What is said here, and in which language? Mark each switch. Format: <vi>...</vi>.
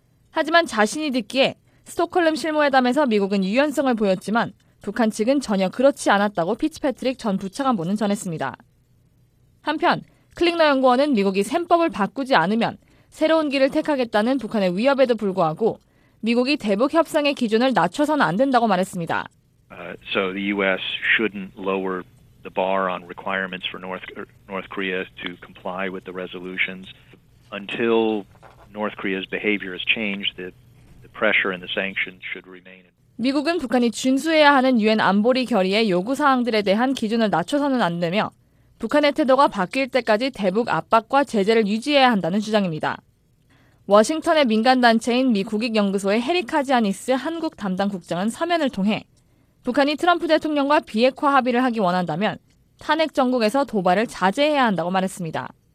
<ko>하지만 자신이 듣기에 스톡홀름 실무회담에서 미국은 유연성을 보였지만 북한 측은 전혀 그렇지 않았다고 피츠패트릭 전 부차관보는 전했습니다. 한편 클링너 연구원은 미국이 셈법을 바꾸지 않으면 새로운 길을 택하겠다는 북한의 위협에도 불구하고 미국이 대북 협상의 기준을 낮춰서는 안 된다고 말했습니다.</ko> <en>So the US shouldn't lower the bar on requirements for North Korea to comply with the resolutions until North Korea's behavior has changed. The pressure and the sanctions should remain.</en> <ko>미국은 북한이 준수해야 하는 유엔 안보리 결의의 요구 사항들에 대한 기준을 낮춰서는 안 되며 북한의 태도가 바뀔 때까지 대북 압박과 제재를 유지해야 한다는 주장입니다. 워싱턴의 민간단체인 미 국익연구소의 해리 카지아니스 한국 담당 국장은 서면을 통해 북한이 트럼프 대통령과 비핵화 합의를 하기 원한다면 탄핵 정국에서 도발을 자제해야 한다고 말했습니다.</ko>